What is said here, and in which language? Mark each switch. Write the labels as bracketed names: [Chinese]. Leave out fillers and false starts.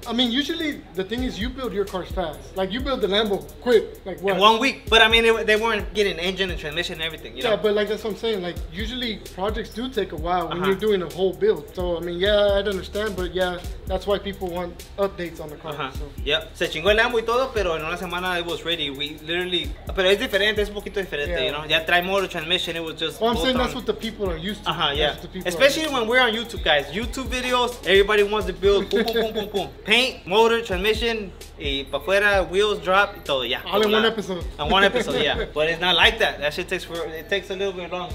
[English] I mean, usually the thing is you build your cars fast. Like you build the Lambo quick, like what? In 1 week. But I mean, they weren't getting engine and transmission and everything. You know? Yeah, but like that's what I'm saying. Like usually projects do take a while when you're doing a whole build. So I mean, I'd understand, but that's why people want updates on the car. [Spanish] Se chingó el Lambo y todo, pero en una semana [English] it was ready. We literally, [Spanish] pero es diferente, es un poquito diferente, [English] you know? [Spanish] Ya trae motor, transmission, [English] it was just. Well, I'm saying that's what the people are used to. Especially when we're on YouTube, guys. YouTube videos, everybody wants to build boom, boom, boom, boom, boom. Paint, motor, transmission, [Spanish] y pa fuera, [English] wheels, drop, [Spanish] y todo, [English] All in one episode. In one episode, But it's not like that. That shit takes a little bit long.